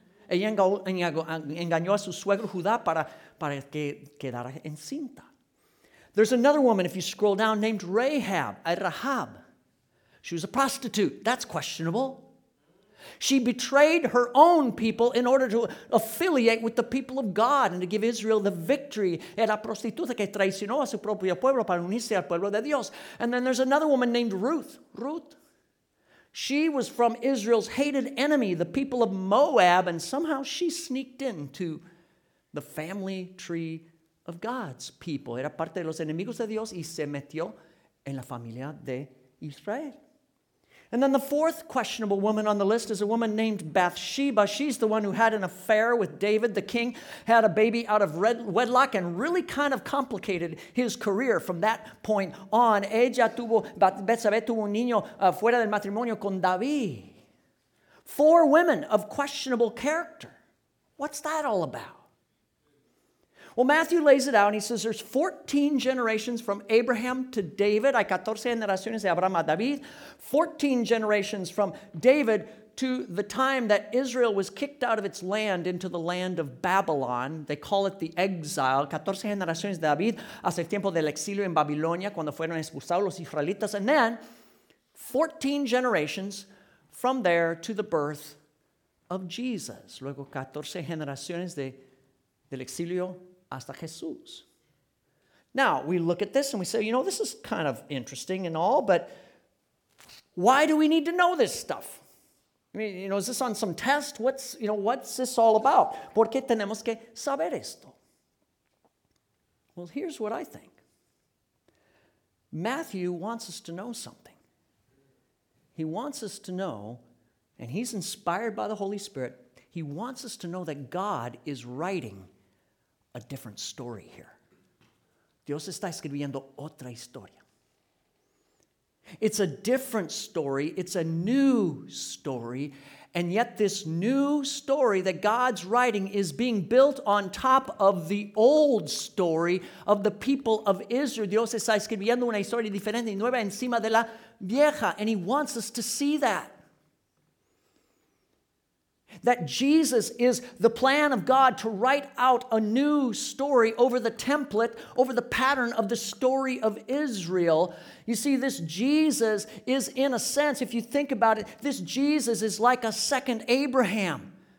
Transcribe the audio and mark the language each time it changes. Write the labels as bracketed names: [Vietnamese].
[Spanish] Ella engañó a su suegro Judá para que quedara encinta. [English] There's another woman, if you scroll down, named Rahab. She was a prostitute. That's questionable. She betrayed her own people in order to affiliate with the people of God and to give Israel the victory. [Spanish] Era prostituta que traicionó a su propio pueblo para unirse al pueblo de Dios. [English] And then there's another woman named Ruth. Ruth. She was from Israel's hated enemy, the people of Moab, and somehow she sneaked into the family tree of God's people. [Spanish] Era parte de los enemigos de Dios y se metió en la familia de Israel. [English] And then the fourth questionable woman on the list is a woman named Bathsheba. She's the one who had an affair with David, the king, had a baby out of wedlock, and really kind of complicated his career from that point on. [Spanish] Ella tuvo, Bathsheba tuvo un niño fuera del matrimonio con David. [English] Four women of questionable character. What's that all about? Well, Matthew lays it out, and he says there's 14 generations from Abraham to David. [Spanish] Hay 14 generaciones de Abraham a David. [English] 14 generations from David to the time that Israel was kicked out of its land into the land of Babylon. They call it the exile. [Spanish] 14 generaciones de David hace el tiempo del exilio en Babilonia cuando fueron expulsados los israelitas. [English] And then 14 generations from there to the birth of Jesus. [Spanish] Luego 14 generaciones del exilio hasta Jesús. [English] Now, we look at this and we say, you know, this is kind of interesting and all, but why do we need to know this stuff? I mean, you know, is this on some test? What's this all about? [Spanish] ¿Por qué tenemos que saber esto? [English] Well, here's what I think. Matthew wants us to know something. He wants us to know, and he's inspired by the Holy Spirit, he wants us to know that God is writing a different story here. [Spanish] Dios está escribiendo otra historia. [English] It's a different story. It's a new story. And yet this new story that God's writing is being built on top of the old story of the people of Israel. [Spanish] Dios está escribiendo una historia diferente y nueva encima de la vieja. [English] And he wants us to see that. That Jesus is the plan of God to write out a new story over the template, over the pattern of the story of Israel. You see, this Jesus is, in a sense, if you think about it, this Jesus is like a second Abraham.